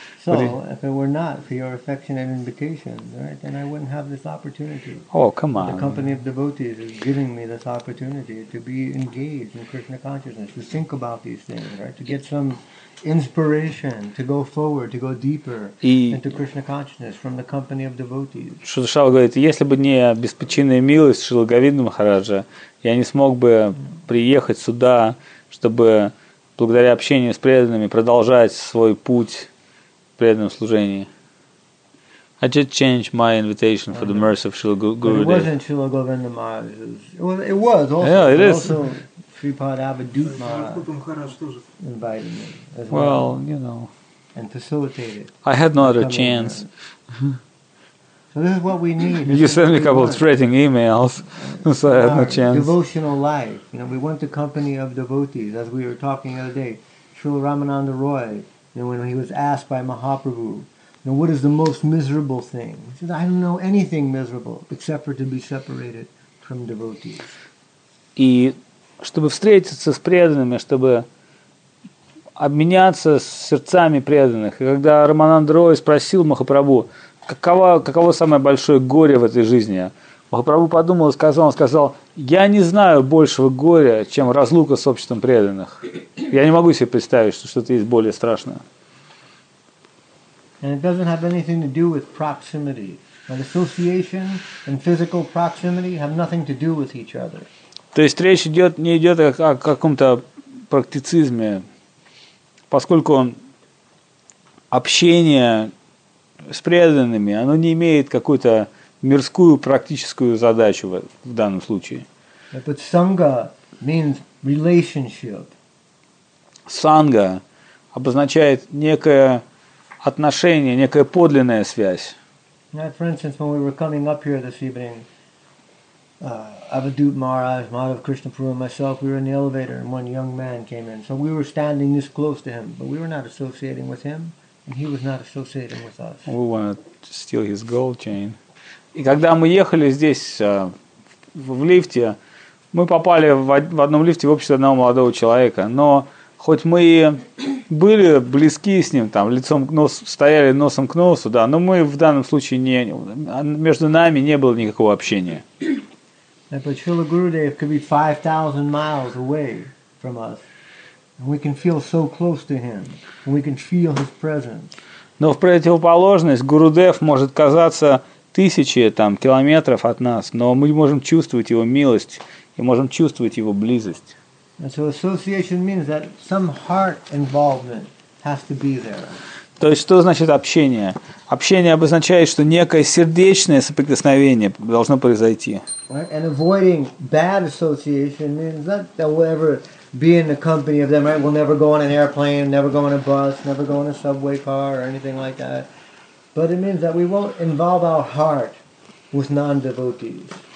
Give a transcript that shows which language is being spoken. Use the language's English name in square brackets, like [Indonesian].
[English] So, if it were not for your affectionate invitation, right, then I wouldn't have this opportunity. Oh, come on. The company of devotees is giving me this opportunity to be engaged in Krishna consciousness, to think about these things, right, to get some inspiration to go forward, to go deeper into Krishna consciousness from the company of devotees. [Russian] Шришава говорит, если бы не беспричинная милость Шрилы Говинды Махараджа, я не смог бы приехать сюда, чтобы благодаря общению с преданными продолжать свой путь в преданном служении. [English] I just changed my invitation for the mercy of Шрила Гурудева. It wasn't Шрила Говинда Махараджа. It was also. Yeah, it is. Sripad Avadhut Maharaj invited me as well. Well, you know. And facilitated. I had no other chance. So this is what we need. You sent me a couple of threatening emails, so I had no chance. Devotional life. You know, we want the company of devotees, as we were talking the other day. Srila Ramananda Roy, you know, when he was asked by Mahaprabhu, you know, what is the most miserable thing? He says, I don't know anything miserable except for to be separated from devotees. [Russian] Чтобы встретиться с преданными, чтобы обменяться с сердцами преданных. И когда Рамананда Рой спросил Махапрабху, каково самое большое горе в этой жизни, Махапрабху подумал и сказал, я не знаю большего горя, чем разлука с обществом преданных. Я не могу себе представить, что что-то есть более страшное. [English] And it doesn't have anything to do with proximity. And association and physical proximity have nothing to do with each other. [Russian] То есть речь идет, не идет о каком-то практицизме, поскольку общение с преданными, оно не имеет какую-то мирскую практическую задачу в данном случае. [English] But sangha means relationship. [Russian] Sangha обозначает некое отношение, некая подлинная связь. [English] For instance, when we were coming up here this evening, Avadhut Maharaj, Madhav Krishnapuru, and myself, we were in the elevator and one young man came in. So we were standing this close to him, but we were not associating with him, and he was not associating with us. We wanted to steal his gold chain. [Russian] И когда мы ехали здесь в лифте, мы попали в одном лифте в обществе одного молодого человека. Но хоть мы и были близки с ним, там, лицом к носу, стояли носом к носу, да, но мы в данном случае не, между нами не было никакого общения. [English] But Srila Gurudev could be 5,000 miles away from us, and we can feel so close to him, and we can feel his presence. [Russian] Но в противоположность Гурудев может казаться тысячи там километров от нас, но мы можем чувствовать его милость и можем чувствовать его близость. [English] And so association means that some heart involvement has to be there. [Russian] То есть что значит общение? Общение обозначает, что некое сердечное соприкосновение должно произойти. [English] Right? And avoiding bad association means not that we'll ever be in the company of them, right? We'll never go on an airplane, never go on a bus, never go on a subway car or anything like that. But it means that we won't involve our heart with non-devotees.